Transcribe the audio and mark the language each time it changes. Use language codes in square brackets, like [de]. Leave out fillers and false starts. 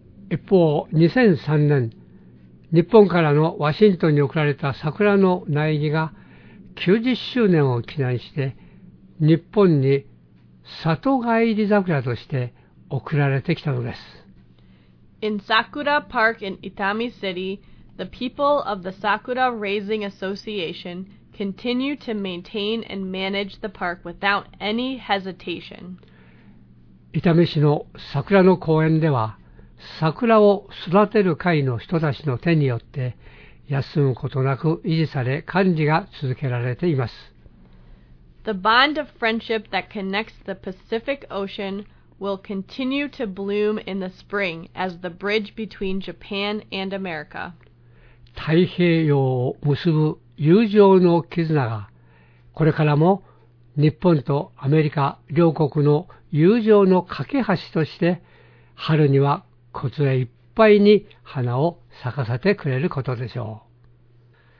[ja] 一方、2003年、日本からのワシントンに贈られた桜の苗木が90周年を記念して日本に里帰り桜として贈られてきたのです。 [en] In Sakura Park in Itami City, the people of the Sakura Raising Association continue to maintain and manage the park without any hesitation. [ja] 伊丹市の桜の公園では桜を育てる会の人たちの手によって休むことなく維持され管理が続けられています。 [en] The bond of friendship that connects the Pacific Ocean will continue to bloom in the spring as the bridge between Japan and America. [ja] 太平洋を結ぶ友情の絆がこれからも日本とアメリカ両国の友情の架け橋として春にはこつえいっぱいに花を咲かせてくれることでしょう。